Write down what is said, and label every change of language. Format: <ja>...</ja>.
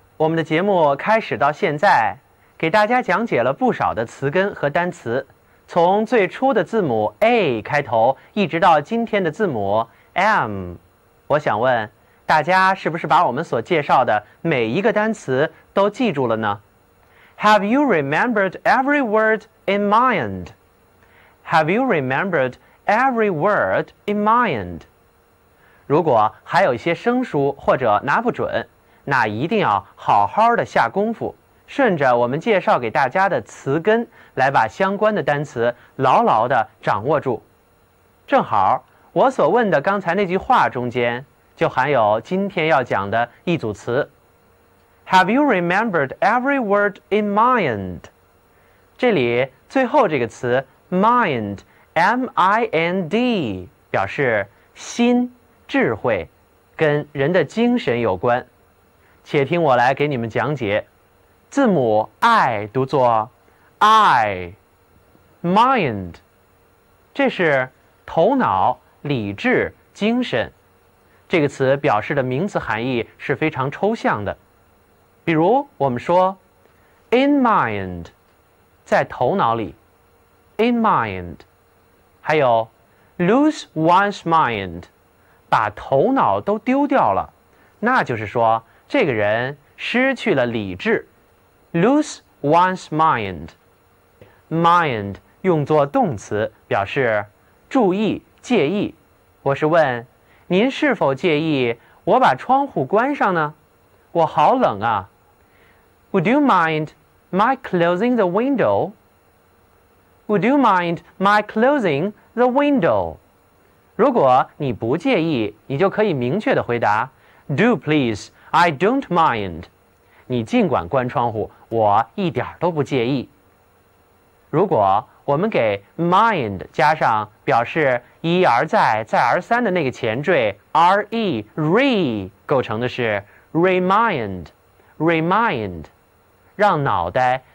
<zh>我们的节目开始到现在，给大家讲解了不少的词根和单词，从最初的字母 A 开头，一直到今天的字母 M。我想问大家，是不是把我们所介绍的每一个单词都记住了呢？</zh> <en>Have you remembered every word in mind? Have you remembered every word in mind?</en> <zh>如果还有一些生疏或者拿不准，那一定要好好的下功夫，顺着我们介绍给大家的词根来把相关的单词牢牢地掌握住。正好我所问的刚才那句话中间就含有今天要讲的一组词。</zh> <en>Have you remembered every word in mind?</en> <zh>这里最后这个词 mind M-I-N-D 表示心、智慧，跟人的精神有关。且听我来给你们讲解。字母 I 读作 I， mind， 这是头脑、理智、精神。这个词表示的名词含义是非常抽象的。比如我们说 in mind， 在头脑里 in mind， 还有</zh> <en>lose one's mind，</en> <zh>把头脑都丢掉了，那就是说这个人失去了理智。</zh> <en>lose one's mind，</en> <zh>mind 用作动词表示注意、介意。我是问您是否介意我把窗户关上呢？我好冷啊。</zh> <en>Would you mind my closing the window? Would you mind my closing the window?</en> <zh>如果你不介意，你就可以明确地回答</zh> <en>Do please，I don't mind，</en> <zh>你尽管关窗户，我一点都不介意。如果我们给 mind 加上表示一而再、再而三的那个前缀 re， re 构成的是 remind， remind， 让脑袋</zh>